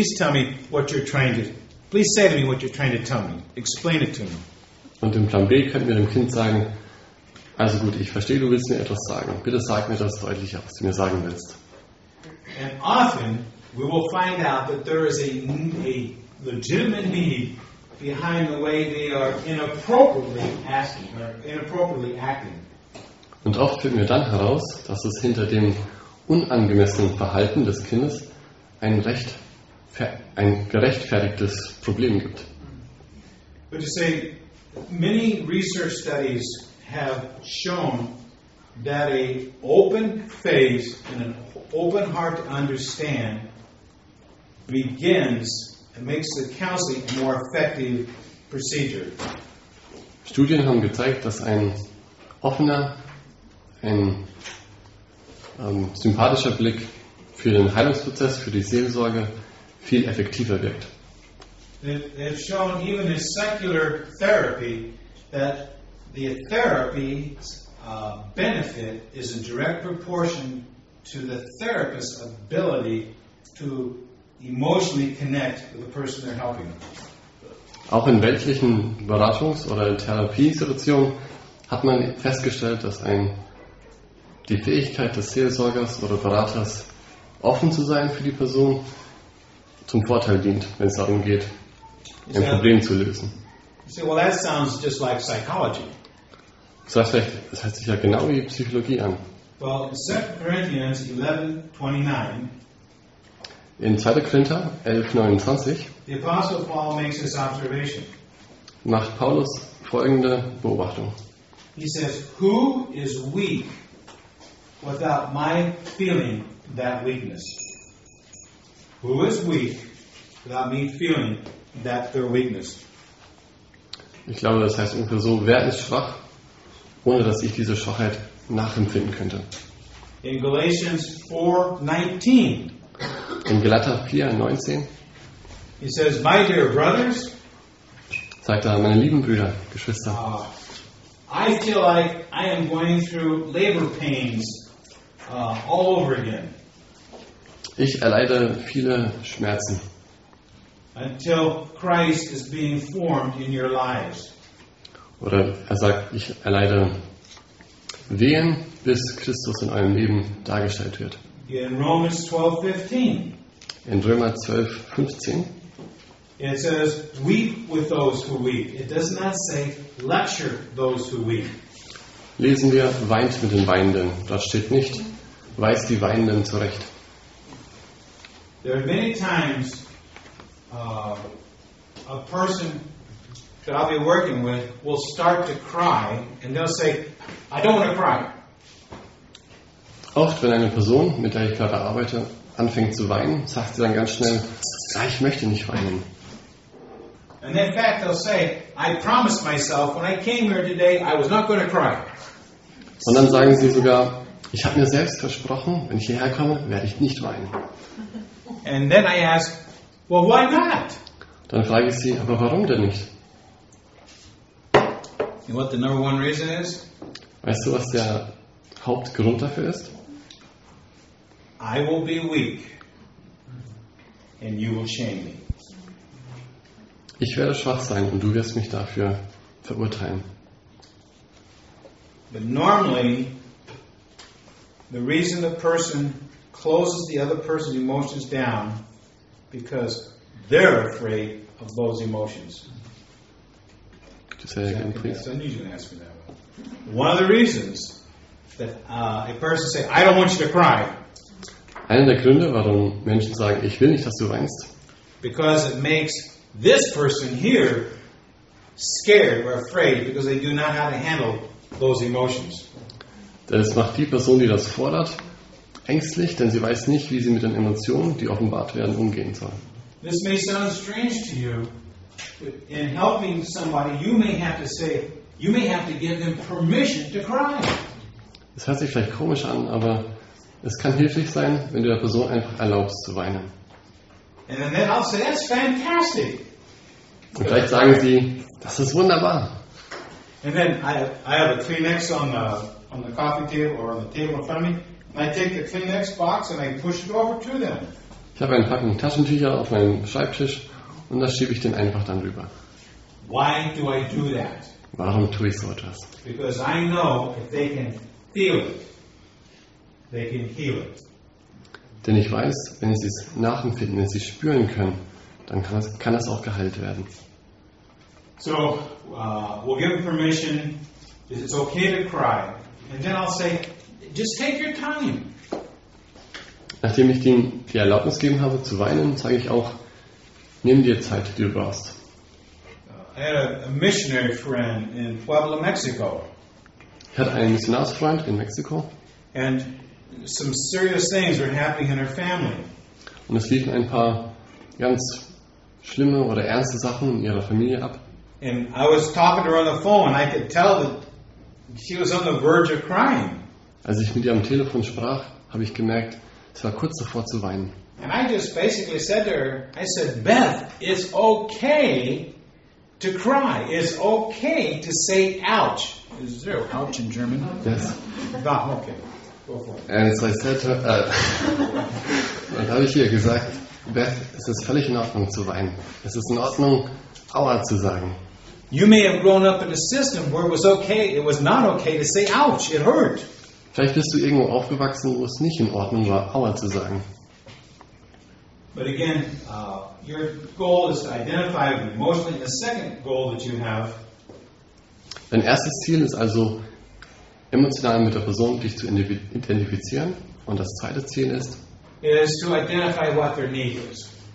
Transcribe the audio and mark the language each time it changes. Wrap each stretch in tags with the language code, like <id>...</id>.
<en>Please say to me what you're trying to tell me. Explain it to me.</en> <de>Und im Plan B könnten wir dem Kind sagen, also gut, ich verstehe, du willst mir etwas sagen. Bitte sag mir das deutlich, was du mir sagen willst.</de> <en>And often we will find out that there is a legitimate need behind the way they are inappropriately asking or inappropriately acting.</en> <de>Und oft finden wir dann heraus, dass es hinter dem unangemessenen Verhalten des Kindes ein gerechtfertigtes Problem gibt.</de> <en>But you say, many research studies have shown that a open face and an open heart to understand begins and makes the counseling a more effective procedure.</en> <de>Studien haben gezeigt, dass ein offener, ein sympathischer Blick für den Heilungsprozess, für die Seelsorge viel effektiver wirkt.</de> <en>They have shown even in secular therapy that the therapy's benefit is in direct proportion to the therapist's ability to emotionally connect with the person they're helping.</en> <de>Auch in weltlichen Beratungs- oder Therapiesituationen hat man festgestellt, dass die Fähigkeit des Seelsorgers oder Beraters, offen zu sein für die Person, zum Vorteil dient, wenn es darum geht, ein Problem zu lösen.</de> <en>You say, well, that sounds just like psychology.</en> <de>Das hört sich ja genau wie Psychologie an.</de> <en>Well, in 2 Corinthians 11:29.</en> <de>In 2. Korinther 11:29.</de> <en>The Apostle Paul makes this observation.</en> <de>Macht Paulus folgende Beobachtung.</de> <en>He says, "Who is weak without my feeling that weakness? Who is weak without me feeling that their weakness?"</en> <de>Ich glaube, das heißt ungefähr so: Wer ist schwach, ohne dass ich diese Schwachheit nachempfinden könnte?</de> <en>In Galatians 4:19.</en> <de>In Galater 4:19.</de> <en>He says, "My dear brothers."</en> <de>Sagt er, meine lieben Brüder, Geschwister.</de> <en>I feel like I am going through labor pains all over again.</en> <de>Ich erleide viele Schmerzen.</de> <en>Until Christ is being formed in your lives.</en> <de>Oder er sagt, ich erleide Wehen, bis Christus in eurem Leben dargestellt wird.</de> <en>In Romans 12:15.</en> <de>In Römer 12:15.</de> <en>It says, weep with those who weep. It does not say, lecture those who weep.</en> <de>Lesen wir, weint mit den Weinenden. Dort steht nicht, weist die Weinenden zurecht.</de> <en>There are many times a person that I'll be working with will start to cry and they'll say, I don't want to cry.</en> <de>Oft, wenn eine Person, mit der ich gerade arbeite, anfängt zu weinen, sagt sie dann ganz schnell, ja, ich möchte nicht weinen.</de> <en>And in fact, they'll say, I promised myself when I came here today, I was not going to cry.</en> <de>Und dann sagen sie sogar, ich habe mir selbst versprochen, wenn ich hierher komme, werde ich nicht weinen.</de> <en>And then I ask, Well, why not?</en> <de>Dann frage ich sie, aber warum denn nicht?</de> <en>You know what the number one reason is?</en> <de>Weißt du, was der Hauptgrund dafür ist?</de> <en>I will be weak and you will shame me.</en> <de>Ich werde schwach sein und du wirst mich dafür verurteilen.</de> <en>But normally the reason the person closes the other person's emotions down because they're afraid of those emotions. Just say it again, please. I need you to ask me that one. One of the reasons that a person says, I don't want you to cry.</en> <de>Einer der Gründe, warum Menschen sagen, ich will nicht, dass du weinst.</de> <en>Because it makes this person here scared or afraid because they do not know how to handle those emotions.</en> <de>Das macht die Person, die das fordert, ängstlich, denn sie weiß nicht, wie sie mit den Emotionen, die offenbart werden, umgehen soll.</de> <en>This may sound strange to you, but in helping somebody, you may have to say, you may have to give them permission to cry.</en> <de>Das hört sich vielleicht komisch an, aber es kann hilfreich sein, wenn du der Person einfach erlaubst zu weinen.</de> <en>And then I'll say, that's fantastic.</en> <de>Und vielleicht sagen sie, das ist wunderbar.</de> <en>And then I have a Kleenex on the coffee table or on the table in front of me. And I take the Kleenex box and I push it over to them.</en> <de>Ich habe einen Packen Taschentücher auf meinem Schreibtisch und das schiebe ich den einfach dann rüber.</de> <en>Why do I do that?</en> <de>Warum tue ich so etwas?</de> <en>Because I know if they can feel it, they can heal it.</en> <de>Denn ich weiß, wenn sie es nachempfinden, wenn sie es spüren können, dann kann das auch geheilt werden.</de> <en>So, we'll give them permission. It's okay to cry. And then I'll say, just take your time.</en> <de>Nachdem ich ihnen die Erlaubnis gegeben habe zu weinen, sage ich auch, nimm dir Zeit, die du brauchst.</de> <en>I had a missionary friend in Puebla, Mexico.</en> <de>Ich hatte einen Missionarsfreund in Mexiko.</de> <en>And some serious things were happening in her family.</en> <de>Und es liefen ein paar ganz schlimme oder ernste Sachen in ihrer Familie ab.</de> <en>And I was talking to her on the phone and I could tell that she was on the verge of crying.</en> <de>Als ich mit ihr am Telefon sprach, habe ich gemerkt, es war kurz davor zu weinen.</de> <en>And I just basically said to her, I said, Beth, it's okay to cry. It's okay to say ouch. Is there an ouch in German? Yes. Ah, okay. And so I said to her,</en> <de>und habe ich ihr gesagt, Beth, es ist völlig in Ordnung zu weinen. Es ist in Ordnung, Aua zu sagen.</de> <en>You may have grown up in a system where it was okay, it was not okay to say ouch, it hurt.</en> <de>Vielleicht bist du irgendwo aufgewachsen, wo es nicht in Ordnung war, Aua zu sagen.</de> <en>But again, your goal is to identify with emotionally. The second goal that you have.</en> <de>Dein erstes Ziel ist also, emotional mit der Person dich zu identifizieren. Und das zweite Ziel ist,</de> <en>is to identify what their need is.</en>